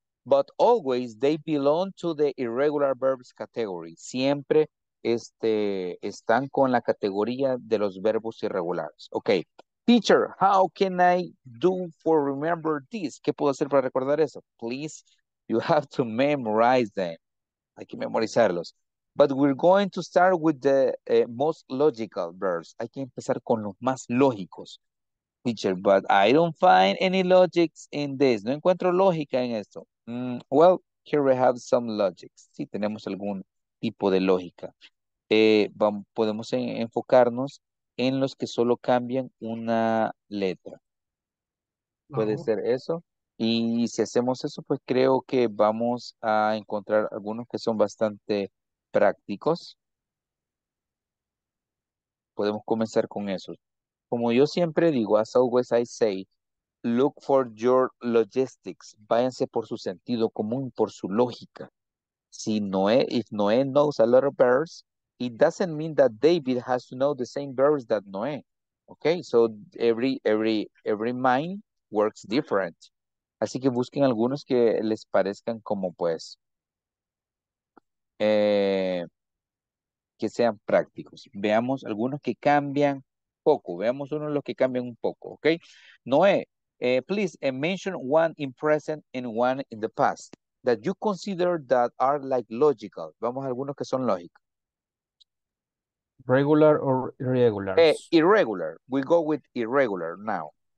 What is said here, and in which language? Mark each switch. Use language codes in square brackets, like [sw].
[en] But always they belong to the irregular verbs category. [es] Siempre están con la categoría de los verbos irregulares. [en] Ok. Teacher, how can I do for remember this? [es] ¿Qué puedo hacer para recordar eso? [en] Please, you have to memorize them. [es] Hay que memorizarlos. [en] But we're going to start with the most logical verbs. [es] Hay que empezar con los más lógicos. [en] Teacher, but I don't find any logics in this. [es] No encuentro lógica en esto. [en] Well, here we have some logics. [es] Sí, tenemos algún tipo de lógica. Podemos enfocarnos en los que solo cambian una letra. ¿Puede ser eso? Y si hacemos eso, pues creo que vamos a encontrar algunos que son bastante prácticos. Podemos comenzar con esos. Como yo siempre digo, [en] as always I say, look for your logistics. [es] Váyanse por su sentido común, por su lógica. Si Noé, [en] if Noé knows a lot of verbs, it doesn't mean that David has to know the same verbs that Noé. Okay, so every mind works different. [es] Así que busquen algunos que les parezcan como pues, que sean prácticos. Veamos algunos que cambian poco. Veamos uno de los que cambian un poco. [en] Okay, Noé, please mention one in present and one in the past that you consider that are like logical. [es] Vamos a algunos que son lógicos. [en] Regular or irregular? Irregular. We go with irregular now.